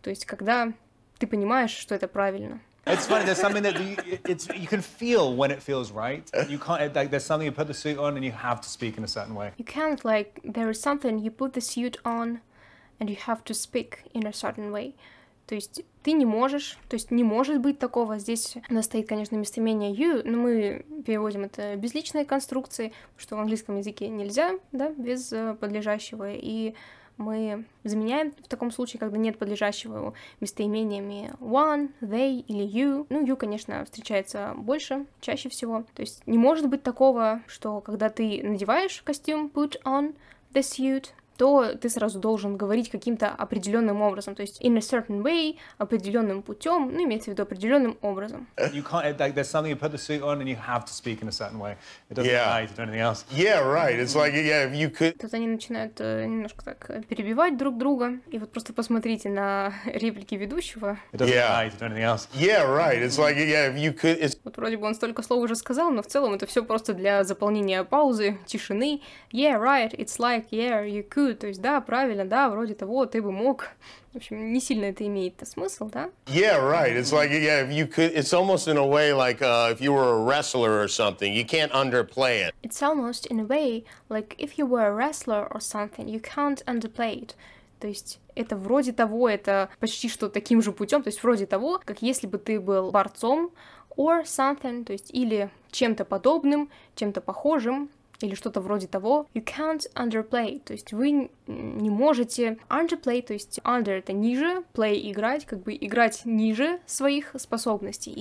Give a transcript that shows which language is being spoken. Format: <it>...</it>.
<ru>То есть, когда ты понимаешь, что это правильно.</ru> <en>It's funny, there's something that you can feel when it feels right. You can't, like, there's something you put the suit on and you have to speak in a certain way. You can't, like, there is something you put the suit on and you have to speak in a certain way.</en> <ru>То есть ты не можешь, то есть не может быть такого. Здесь у нас стоит, конечно, местоимение you, но мы переводим это безличной конструкцией, что в английском языке нельзя, да, без подлежащего. И мы заменяем в таком случае, когда нет подлежащего, местоимениями one, they или you. Ну, you, конечно, встречается больше, чаще всего. То есть не может быть такого, что когда ты надеваешь костюм</ru> <en>put on the suit,</en> <ru>то ты сразу должен говорить каким-то определенным образом, то есть</ru> <en>in a certain way,</en> <ru>определенным путем, ну, имеется в виду определенным образом.</ru> <en>You can't, like, there's something you put the suit on and you have to speak in a certain way. It doesn't lie to do anything else. Yeah, right. It's like, yeah, if you could...</en> <ru>Тут они начинают немножко так перебивать друг друга, и вот просто посмотрите на реплики ведущего.</ru> <en>It doesn't lie to do anything else. Yeah, right. It's like, yeah, if you could... It's...</en> <ru>Вот вроде бы он столько слов уже сказал, но в целом это все просто для заполнения паузы, тишины.</ru> <en>Yeah, right. It's like, yeah, you could...</en> <ru>То есть, да, правильно, да, вроде того, ты бы мог. В общем, не сильно это имеет смысл, да?</ru> <en>Yeah, right. It's like, yeah, if you could, it's almost in a way like if you were a wrestler or something, you can't underplay it. It's almost in a way like if you were a wrestler or something, you can't underplay it.</en> <ru>То есть, это вроде того, это почти что таким же путем, то есть, вроде того, как если бы ты был борцом</ru> <en>or something,</en> <ru>то есть, или чем-то подобным, чем-то похожим. Или что-то вроде того.</ru> <en>You can't underplay,</en> <ru>то есть вы не можете underplay, то есть under — это ниже, play — играть, как бы играть ниже своих способностей.</ru>